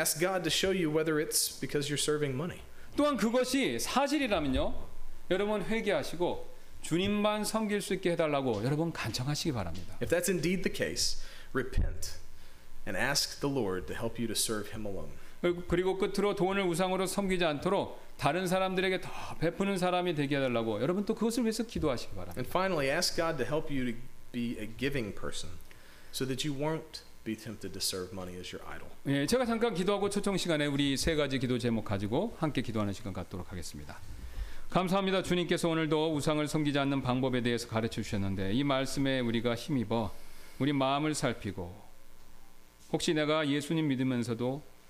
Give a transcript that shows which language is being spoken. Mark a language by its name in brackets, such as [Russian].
[English] Ask God to show you whether it's because you're serving money. [Korean] 또한 그것이 사실이라면요 여러분 회개하시고 주님만 섬길 수 있게 해달라고 여러분 간청하시기 바랍니다. [English] If that's indeed the case, repent and ask the Lord to help you to serve Him alone. [Korean] 그리고 끝으로 돈을 우상으로 섬기지 않도록 다른 사람들에게 더 베푸는 사람이 되게 해달라고 여러분 또 그것을 위해서 기도하시기 바랍니다. [English] And finally, ask God to help you to be a giving person so that you won't be tempted to serve money as your idol. [Korean] 예, 제가 잠깐 기도하고 초청 시간에 우리 세 가지 기도 제목 가지고 함께 기도하는 시간 갖도록 하겠습니다. 감사합니다. 주님께서 오늘도 우상을 섬기지 않는 방법에 대해서 가르쳐 주셨는데 이 말씀에 우리가 힘입어 우리 마음을 살피고 혹시 내가 예수님 믿으면서도